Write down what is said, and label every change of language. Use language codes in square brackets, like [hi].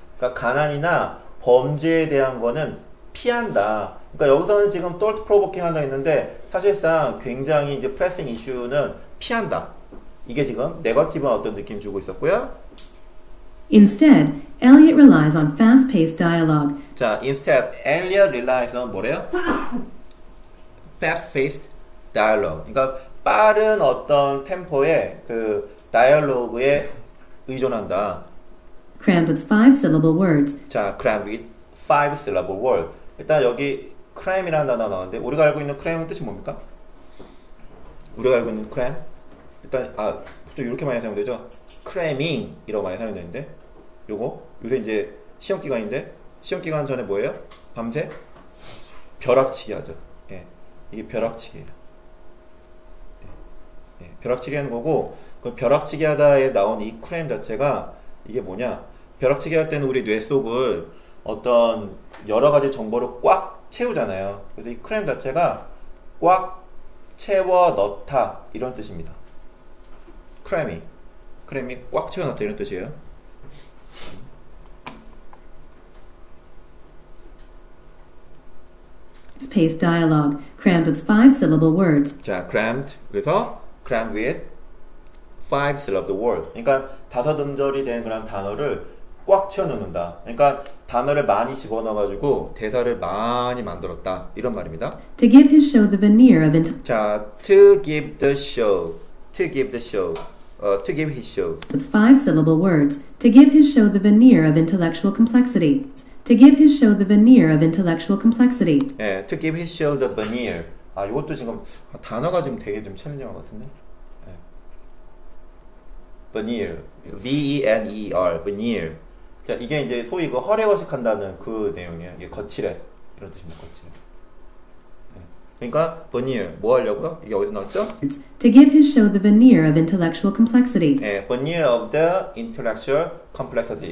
[ko] 그러니까 가난이나 범죄에 대한 거는 피한다. 그러니까 여기서는 지금 thought provoking 하나 있는데 사실상 굉장히 이제 pressing 이슈는 피한다. 이게 지금 네거티브한 어떤 느낌 주고 있었고요. [en] Instead, Elliot relies on fast-paced dialogue. 자, instead Elliot relies on 뭐래요? fast-paced dialogue. [ko] 그러니까 빠른 어떤 템포의 그 dialogue에 의존한다. [en] crammed with five-syllable words. 자, crammed with five-syllable words. [ko] 일단 여기 cram이라는 단어 나왔는데 우리가 알고 있는 cram은 뜻이 뭡니까? 우리가 알고 있는 cram? 일단 아, 또 이렇게 많이 사용되죠? cramming 이라고 많이 사용되는데 요거 요새 이제 시험기간인데 시험기간 전에 뭐예요? 밤새? 벼락치기 하죠. 이게 벼락치기예요. 네. 네. 벼락치기 하는 거고 그 벼락치기 하다에 나온 이 크램 자체가 이게 뭐냐 벼락치기 할 때는 우리 뇌 속을 어떤 여러 가지 정보를 꽉 채우잖아요. 그래서 이 크램 자체가 꽉 채워 넣다 이런 뜻입니다. 크램이 꽉 채워 넣다 이런 뜻이에요. [en] 스페이스 다이얼로그 crammed with five syllable words. 자, crammed with five syllable words. [ko] 그러니까 다섯 음절이 된 그런 단어를 꽉 채워넣는다. 그러니까 단어를 많이 집어넣어 가지고 대사를 많이 만들었다. 이런 말입니다. [en] To give his show the veneer of to give the show. To give the show. To give his show. With five syllable words. To give his show the veneer of intellectual complexity. To give his show the veneer of intellectual complexity. 예, to give his show the veneer. [ko] 아, 이것도 지금 단어가 지금 되게 좀 챌린징한 것 같은데. [en] 예. veneer, V-E-N-E-R, veneer. [ko] 자, 이게 이제 소위 그 허례허식한다는 그 내용이에요. 이게 거칠해 이런 뜻입니다. 거칠해. 예. 그러니까 veneer 뭐 하려고요? 이게 어디서 나왔죠? [en] To give his show the veneer of intellectual complexity. 예, veneer of the intellectual complexity.